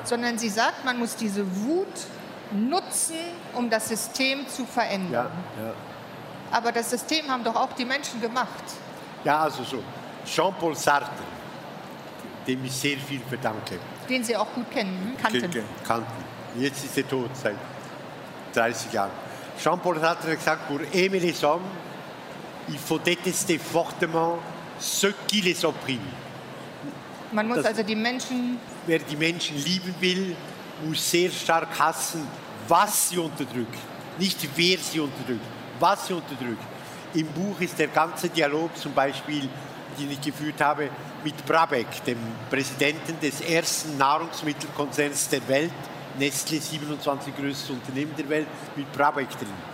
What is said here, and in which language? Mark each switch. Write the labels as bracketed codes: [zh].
[de] Sondern sie sagt, man muss diese Wut nutzen, um das System zu verändern. Ja. Aber das System haben doch auch die Menschen gemacht. Ja, also so. Jean-Paul Sartre, dem ich sehr viel verdanke. Den Sie auch gut kennen, kannten. Jetzt ist er tot, seit 30 Jahren. Jean-Paul Sartre hat gesagt, [fr] pour aimer les hommes, il faut détester fortement ceux qui les oppriment. [de] Man muss also die Menschen... Wer die Menschen lieben will, muss sehr stark hassen, was sie unterdrückt. Nicht wer sie unterdrückt, was sie unterdrückt. Im Buch ist der ganze Dialog zum Beispiel, den ich geführt habe, mit Brabeck, dem Präsidenten des ersten Nahrungsmittelkonzerns der Welt, Nestle, 27 größtes Unternehmen der Welt, mit Brabeck drin.